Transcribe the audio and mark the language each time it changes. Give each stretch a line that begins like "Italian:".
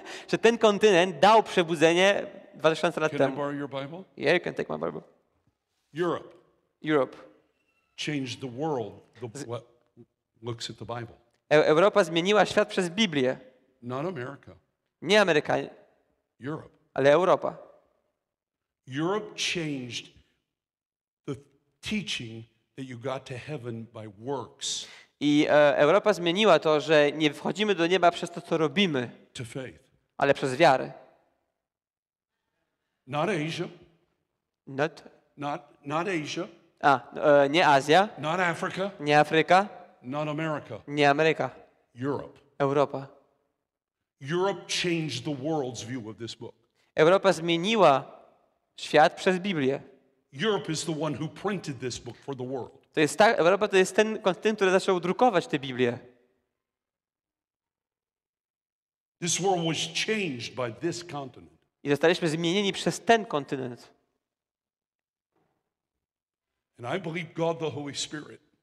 Polish: Że ten kontynent dał przebudzenie 2000 lat
English: can
Polish: temu.
English: Can I borrow your Bible? Yeah, you can take my Bible. Europe. Changed the world. What looks at the Bible.
Polish: Europa zmieniła świat przez Biblię.
English: Not America.
Polish: Nie Ameryka.
English: Europe.
Polish: Ale Europa.
English: Europe changed the teaching that you got to heaven by works.
Polish: I Europa zmieniła to, że nie wchodzimy do nieba przez to, co robimy,
English: to faith.
Polish: Ale przez wiarę.
English: Not Asia. Not Asia.
Polish: Nie Azja.
English: Not Africa.
Polish: Nie Afryka.
English: Not America.
Polish: Nie Ameryka.
English: Europe.
Polish: Europa.
English: Europe changed the world's view of this book.
Polish: Europa zmieniła świat przez Biblię.
English: Europe is the one who printed this book for the world.
Polish: To jest ta Europa, to jest ten kontynent, który zaczął drukować tę Biblię.
English: This world was changed by this continent.
Polish: I zostaliśmy zmienieni przez ten kontynent.
English: And I believe God the Holy Spirit.